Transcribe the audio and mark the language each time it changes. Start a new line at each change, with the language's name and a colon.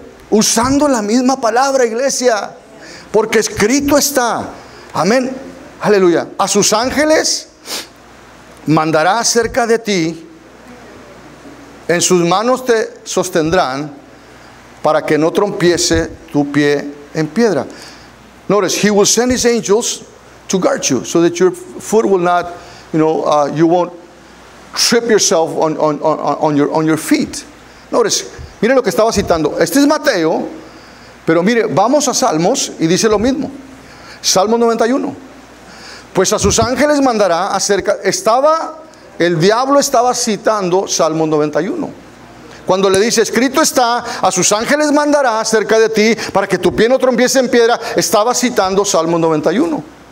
Spanish: Usando la misma palabra, iglesia. Porque escrito está. Amén. Aleluya. A sus ángeles mandará cerca de ti. En sus manos te sostendrán para que no trompiece tu pie en piedra.
English: Notice, he will send his angels to guard you, so that your foot will not, you know, you won't trip yourself on your feet.
Spanish: Notice, mire lo que estaba citando. Este es Mateo, pero mire, vamos a Salmos y dice lo mismo. Salmo 91. Pues a sus ángeles mandará acerca. Estaba, el diablo estaba citando Salmo 91. Cuando le dice, escrito está, a sus ángeles mandará acerca de ti para que tu pie no trompiese en piedra, estaba citando Salmo 91.